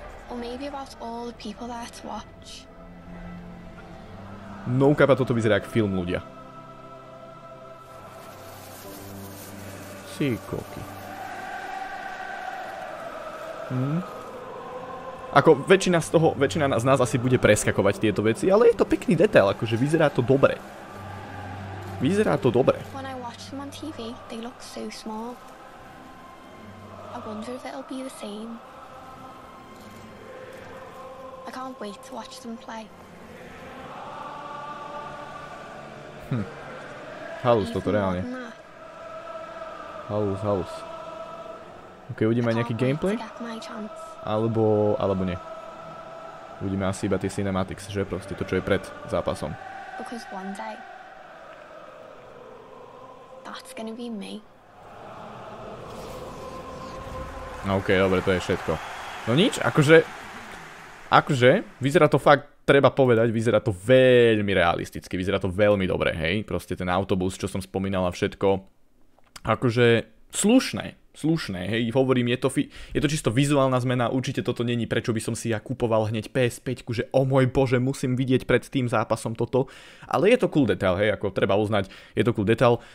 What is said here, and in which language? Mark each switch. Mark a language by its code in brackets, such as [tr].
[en] Or maybe about all the people that watch. [sk] No, kapa, toto vyzerá ako film, ľudia. Ty koky. Ako väčšina z toho, väčšina z nás asi bude preskakovať tieto veci, ale je to pekný detail, akože vyzerá to dobre. Vyzerá to dobre. [en] When I watch them on TV, they look so small. I wonder if it'll be the same. I can't wait to watch them play. [sk] Halus toto reálne. Halus. OK, uvidíme aj nejaký gameplay? Alebo nie. Uvidíme asi iba tie cinematics, že? Proste to, čo je pred zápasom. [en] Because one day, that's gonna be me. [sk] OK, dobre, to je všetko. No nič, akože, vyzerá to fakt, treba povedať, vyzerá to veľmi realisticky, vyzerá to veľmi dobre, hej? Proste ten autobus, čo som spomínal a všetko. Akože... Slušné, hej, hovorím, je to čisto vizuálna zmena, určite toto není, prečo by som si ja kupoval hneď PS5, že o môj bože, musím vidieť pred tým zápasom toto, ale je to cool detail, hej, ako treba uznať, je to cool detail.